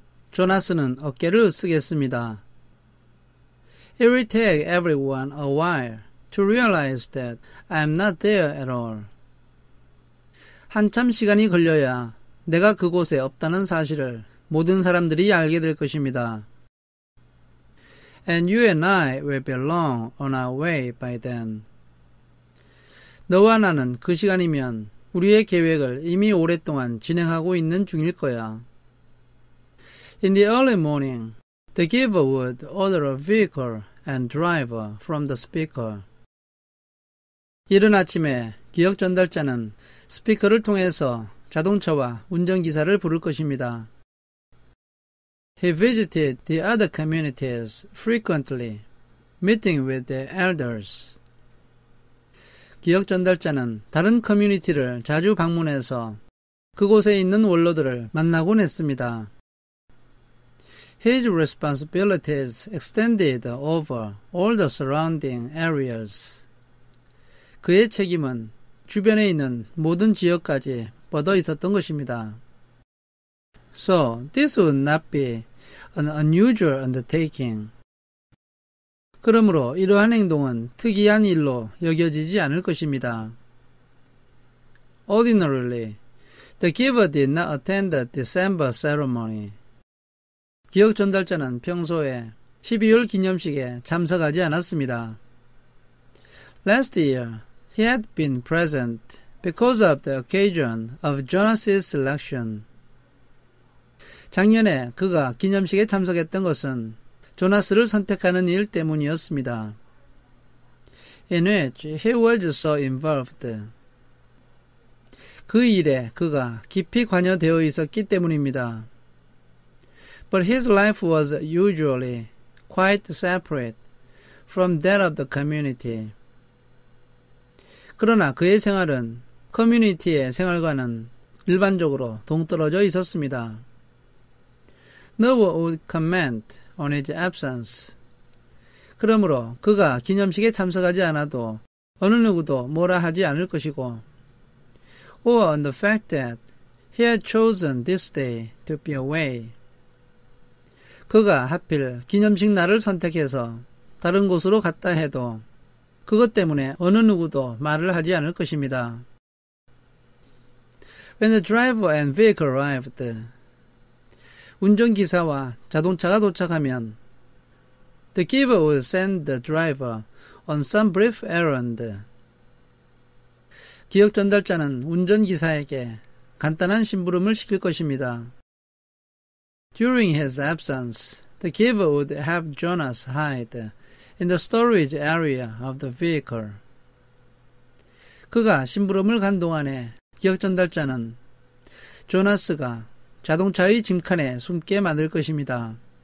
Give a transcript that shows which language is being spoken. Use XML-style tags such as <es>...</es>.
<ko>조나스는 어깨를 쓰겠습니다.</ko> <en>It will take everyone a while to realize that I'm not there at all.</en> <ko>한참 시간이 걸려야 내가 그곳에 없다는 사실을 모든 사람들이 알게 될 것입니다.</ko> <en>And you and I will be long on our way by then.</en> <ko>너와 나는 그 시간이면 우리의 계획을 이미 오랫동안 진행하고 있는 중일 거야.</ko> <en>In the early morning, the giver would order a vehicle and driver from the speaker.</en> <ko>이른 아침에 기억 전달자는 스피커를 통해서 자동차와 운전기사를 부를 것입니다.</ko> <en>He visited the other communities frequently, meeting with the elders.</en> <ko>기억 전달자는 다른 커뮤니티를 자주 방문해서 그곳에 있는 원로들을 만나곤 했습니다.</ko> <en>His responsibilities extended over all the surrounding areas.</en> <ko>그의 책임은 주변에 있는 모든 지역까지 뻗어 있었던 것입니다.</ko> <en>So, this would not be an unusual undertaking.</en> <ko>그러므로 이러한 행동은 특이한 일로 여겨지지 않을 것입니다.</ko> <en>Ordinarily, the giver did not attend the December ceremony.</en> <ko>기억 전달자는 평소에 12월 기념식에 참석하지 않았습니다.</ko> <en>Last year, he had been present because of the occasion of Jonas's selection.</en> <ko>작년에 그가 기념식에 참석했던 것은 조나스를 선택하는 일 때문이었습니다.</ko> <en>In which he was so involved.</en> <ko>그 일에 그가 깊이 관여되어 있었기 때문입니다.</ko> <en>But his life was usually quite separate from that of the community.</en> <ko>그러나 그의 생활은 커뮤니티의 생활과는 일반적으로 동떨어져 있었습니다.</ko> <en>No one would comment on his absence.</en> <ko>그러므로 그가 기념식에 참석하지 않아도 어느 누구도 뭐라 하지 않을 것이고</ko> <en>or on the fact that he had chosen this day to be away.</en> <ko>그가 하필 기념식 날을 선택해서 다른 곳으로 갔다 해도 그것 때문에 어느 누구도 말을 하지 않을 것입니다.</ko> <en>When the driver and vehicle arrived,</en> <ko>운전기사와 자동차가 도착하면</ko> <en>The giver would send the driver on some brief errand.</en> <ko>기억 전달자는 운전기사에게 간단한 심부름을 시킬 것입니다.</ko> <en>During his absence, the giver would have Jonas hide in the storage area of the vehicle.</en> <ko>그가 심부름을 간 동안에 기억 전달자는 조나스가 자동차의 짐칸에 숨게 만들 것입니다.</ko>